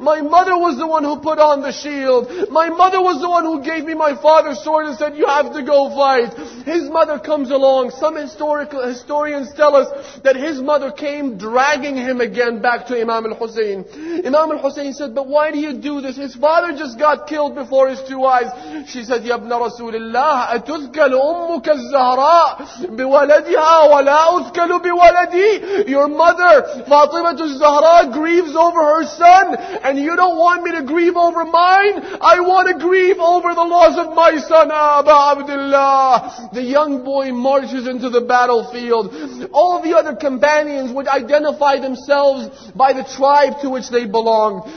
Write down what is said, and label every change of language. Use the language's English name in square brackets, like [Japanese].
[English] My mother was the one who put on the shield. My mother was the one who gave me my father's sword and said, you have to go fight. His mother comes along. Some historians tell us that his mother came dragging him again back to Imam al-Hussein. Imam al-Hussein said, but why do you do this? His father just got killed before his two eyes. She said, [Arabic] Ya Abna Rasulullah, أتذكل أمك الزهراء بولدها ولا أذكل بولدي. [English] Your mother, Fatima al-Zahra, grieves over her son, and you don't want me to grieve over mine? I want to grieve over the loss of my son, Aba Abdullah. The young boy marches into the battlefield. All of the other companions would identify themselves by the tribe to which they belonged.